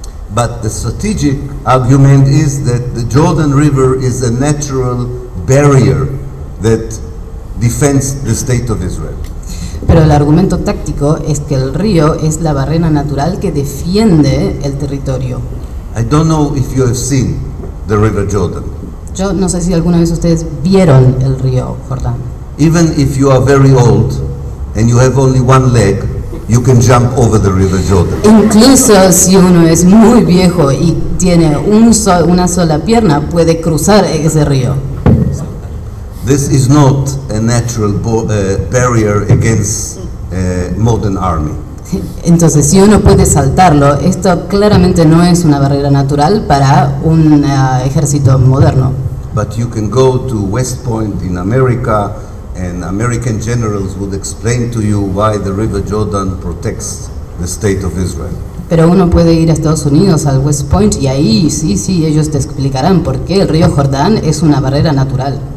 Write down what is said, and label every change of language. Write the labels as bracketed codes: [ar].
[en] But the strategic argument is that the Jordan River is a natural barrier that defends the state of Israel. [es] Pero el argumento táctico es que el río es la barrera natural que defiende el territorio. [en] I don't know if you have seen the River Jordan. [es] Yo no sé si alguna vez ustedes vieron el río Jordán. [en] Even if you are very old and you have only one leg, you can jump over the River Jordan. [es] Incluso si uno es muy viejo y tiene una sola pierna, puede cruzar ese río. [en] This is not a natural barrier against a modern army. [es] Entonces, si uno puede saltarlo, esto claramente no es una barrera natural para un ejército moderno. [en] But you can go to West Point in America, and American generals would explain to you why the River Jordan protects the state of Israel. [es] Pero uno puede ir a Estados Unidos, al West Point, y ahí sí, ellos te explicarán por qué el río Jordán es una barrera natural.